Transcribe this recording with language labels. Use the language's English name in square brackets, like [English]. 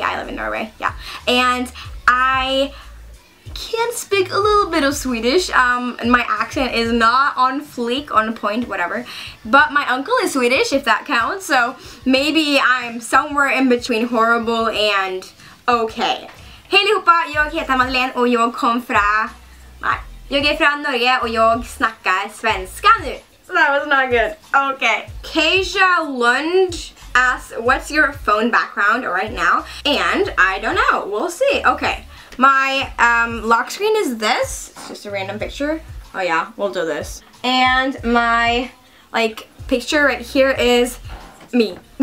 [English] I live in Norway, yeah, and I can speak a little bit of Swedish. My accent is not on fleek, on point, whatever, but my uncle is Swedish, if that counts, so maybe I'm somewhere in between horrible and okay. [Swedish] Hej allihopa, jag heter Madeleine och jag kom från, jag är från Norge och jag snackar svenska nu. [English] That was not good. Okay. Kasia Lund asks, what's your phone background right now? And I don't know. We'll see. Okay. My lock screen is this. It's just a random picture. Oh yeah, we'll do this. And my like picture right here is me.